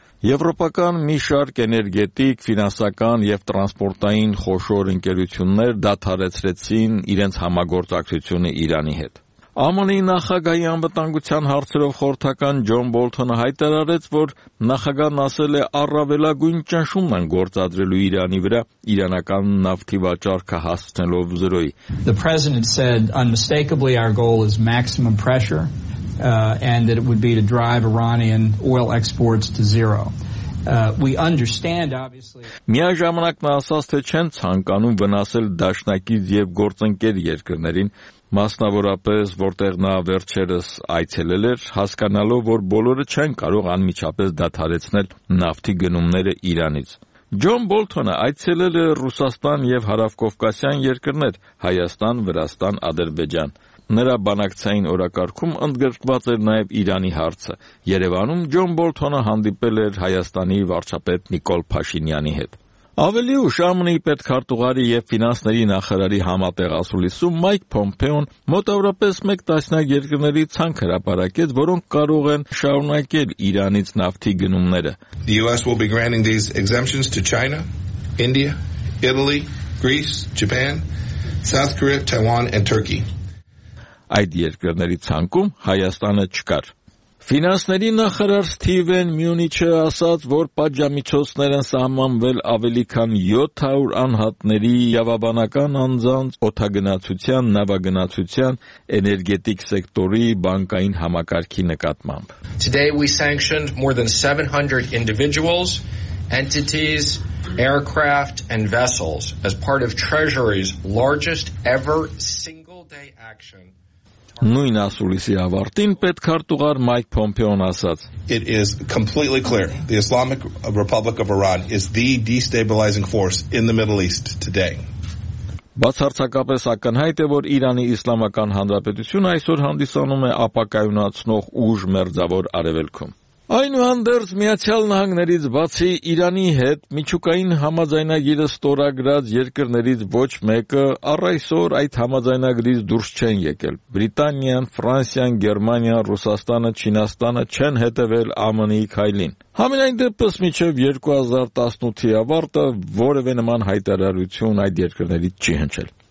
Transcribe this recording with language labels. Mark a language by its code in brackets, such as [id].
[hy] Եվրոպական մի շարք էներգետիկ, ֆինանսական և տրանսպորտային խոշոր ընկերություններ դադարեցրեցին իրենց համագործակցությունը Իրանի հետ։ ԱՄՆ-ի նախագահի անվտանգության հարցերով խորհրդական Ջոն Բոլթոնը հայտարարեց, որ նախագահն ասել է, առավելագույն ճնշում են գործադրելու Իրանի վրա, իրանական նավթի վաճառքը հասցնելով զրոյի։ [en] The president said unmistakably our goal is maximum pressure. And that it would be to drive Iranian oil exports to zero. We understand obviously. [hy] Միաժամանակ նա ասաց, թե չեն ցանկանում վնասել դաշնակից եւ գործընկեր երկրներին, մասնավորապես որտեղ նա վերջերս այցելել էր, հասկանալով, որ բոլորը չեն կարող անմիջապես դադարեցնել նավթի գնումները Իրանից։ Ջոն Բոլթոնը այցելել է Ռուսաստան եւ Հարավկովկասյան երկրներ՝ Հայաստան, Վրաստան, Ադրբեջան։ Նրա բանակցային օրակարգում ընդգրկված էր նաև Իրանի հարցը։ Երևանում Ջոն Բոլթոնը հանդիպել էր Հայաստանի վարչապետ Նիկոլ Փաշինյանի հետ։ Ավելի ուշ ԱՄՆ-ի պետքարտուղարի և ֆինանսների նախարարի համատեղ ասուլիսում Մայք Փոմպեոն մոտավորապես 1 տասնյակ երկրների ցանկ հրապարակեց, որոնք կարող են շարունակել Իրանից նավթի գնումները։ [en] The US will be granting these exemptions to China, India, Italy, Greece, Japan, South Korea, Taiwan and Turkey. [hy] Այդ երկրների ցանկում Հայաստանը չկար։ Ֆինանսների նախարար Սթիվեն Մյունիչը ասաց, որ պատժամիջոցներ են սահմանվել ավելի քան 700 անհատների իրավաբանական անձանց, օդագնացության, նավագնացության, էներգետիկ սեկտորի, բանկային համակարգի նկատմամբ։ [en] Today we sanctioned more than 700 individuals, entities, aircraft and vessels as part of Treasury's largest ever single day action. [hy] Նույն ասուլիսի ավարտին պետքարտուղար Մայք Փոմպեոն ասաց. [en] It is completely clear the Islamic Republic of Iran is the destabilizing force in the Middle East today. [hy] Բացարձակապես ակնհայտ է, որ Իրանի Իսլամական Հանրապետությունը այսօր հանդիսանում է ապակայունացնող ուժ մերձավոր արևելքում։ Այնուհանդերձ Միացյալ Նահանգներից բացի Իրանի հետ միջուկային համաձայնագիրը ստորագրած երկրներից ոչ մեկը առայսօր այդ համաձայնագրից դուրս չեն եկել։ Բրիտանիան, Ֆրանսիան, Գերմանիան, Ռուսաստանը, Չինաստանը չեն հետևել ԱՄՆ-ի քայլին։ Համենայն դեպս մինչև 2018-ի ավարտը որևէ նման հայտարարություն այդ երկրներից չի հնչել։